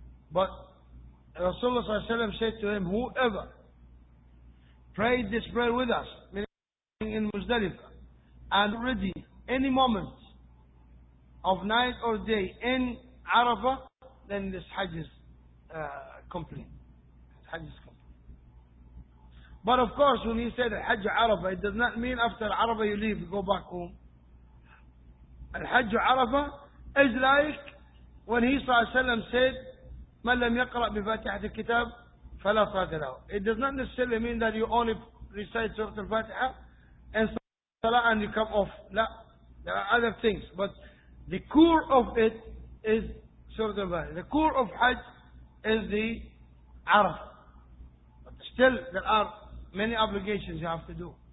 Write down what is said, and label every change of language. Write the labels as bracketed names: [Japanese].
[English] But Rasulullah said to him, whoever prayed this prayer with us, meaning in Muzdalifah, and ready any moment of night or day in Arafah, then this Hajj is complete. Hajj is complete. But of course, when he said Hajj Arafah, it does not mean after Arafah you leave, you go back home. Al-Hajj Arafah is like when he [Arabic] وسلم, [English] said, [Arabic] مَنْ لَمْ يَقْرَأْ بِفَاتِحَةِ الْكِتَابِ فَلَا صَلَاةَ. [English] It does not necessarily mean that you only recite Surah Al-Fatiha and Salah and you come off. No, there are other things, but the core of it is Surah Al-Fatiha. The core of Hajj is the Arafah. But still, there are many obligations you have to do.